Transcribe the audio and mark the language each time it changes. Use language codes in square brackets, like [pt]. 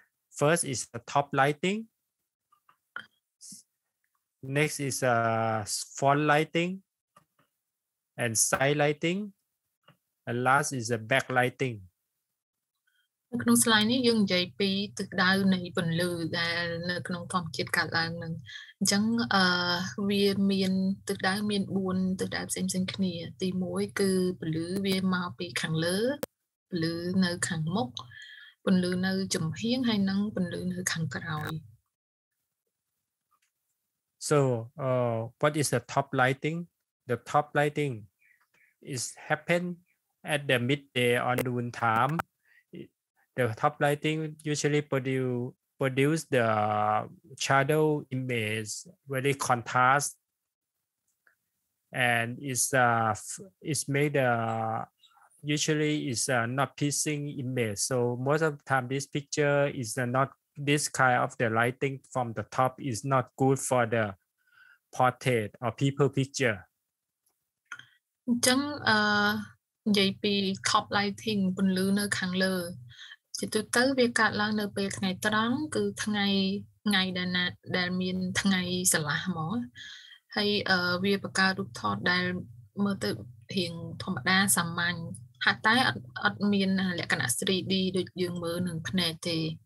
[en] First is the top lighting. Next is front lighting and side lighting. And last is the back lighting. [km] នៅក្នុងស្លាយនេះយើងនិយាយពីទិសដៅនៃពន្លឺដែលនៅក្នុងធម្មជាតិកើតឡើងនឹងអញ្ចឹងវាមានទិសដៅមាន4ទិសដៅផ្សេងៗគ្នាទី1គឺពន្លឺវាមកពីខាងលើពន្លឺនៅខាងមុខពន្លឺនៅចំហៀងហើយនឹងពន្លឺនៅខាងក្រោយ [en] So what is the top lighting? The top lighting is happen at the midday on noon timeThe top lighting usually produce the shadow image very contrast, and it's made usually is not piercing image. So most of the time, this picture is not this kind of the lighting from the top is not good for the portrait or people picture. [km] Chang JP top lighting ពន្លឺនៅខាងលើជាទូទៅវាកាត់ឡើងនៅពេលថ្ងៃត្រង់គឺថ្ងៃដែលណាដែលមានថ្ងៃស្រឡះហ្មងហើយវាបង្កើតរូបថតដែលមើលទៅរៀងធម្មតាសាមញ្ញហាក់តែអត់មានលក្ខណៈ 3D ដូចយើងមើលនឹងភ្នែកទេ